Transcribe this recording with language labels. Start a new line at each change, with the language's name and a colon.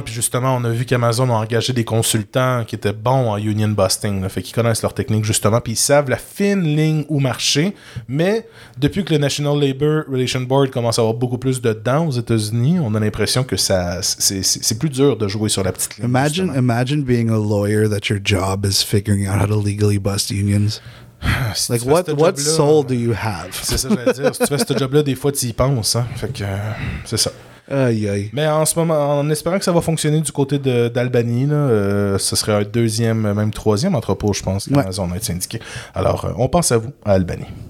French: Puis justement, on a vu qu'Amazon a engagé des consultants qui étaient bons en union busting. Là, fait qu'ils connaissent leur technique justement. Puis ils savent la fine ligne où marcher. Mais depuis que le National Labor Relations Board commence à avoir beaucoup plus de dents aux États-Unis, on a l'impression que ça, c'est plus dur de jouer sur la petite ligne.
English: Imagine being a lawyer that your job is figuring out how to legally bust unions.
French: Si
English: like what soul do you have?
French: C'est ça que j'allais dire. Si tu fais ce job-là, des fois, tu y penses. Hein? Fait que c'est ça. Aïe, aïe. Mais en ce moment, en espérant que ça va fonctionner du côté d'Albany, ce serait un deuxième, même troisième entrepôt, je pense, qu'Amazon a été syndiqué. Alors, on pense à vous, à Albany.